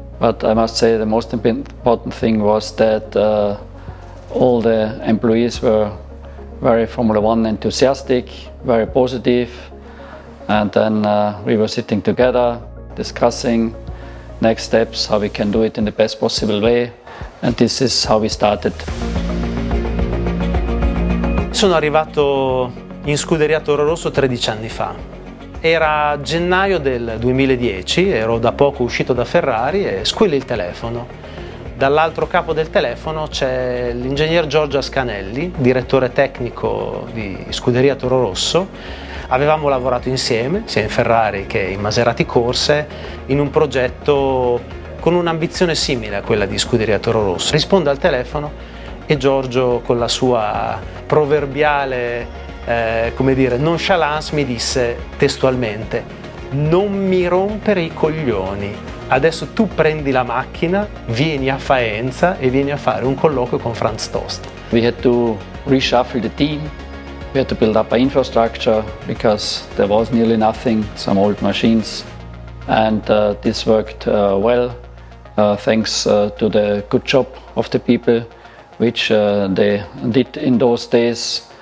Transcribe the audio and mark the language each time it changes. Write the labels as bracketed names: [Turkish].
[English] But I must say the most important thing was that all the employees were very Formula One enthusiastic, very positive, and then we were sitting together discussing next steps, how we can do it in the best possible way, and this is how we started. [Italian] Sono arrivato in Scuderia Toro Rosso 13 anni fa. Era gennaio del 2010, ero da poco uscito da Ferrari e squilla il telefono. Dall'altro capo del telefono c'è l'ingegner Giorgio Ascanelli, direttore tecnico di Scuderia Toro Rosso. Avevamo lavorato insieme, sia in Ferrari che in Maserati Corse, in un progetto con un'ambizione simile a quella di Scuderia Toro Rosso. Rispondo al telefono e Giorgio, con la sua proverbiale nonchalance, mi disse testualmente: non mi rompere i coglioni, adesso tu prendi la macchina, vieni a Faenza e vieni a fare un colloquio con Franz Tost. [English] We had to reshuffle the team, we had to build up an infrastructure because there was nearly nothing, some old machines, and this worked well thanks to the good job of the people which they did in those days.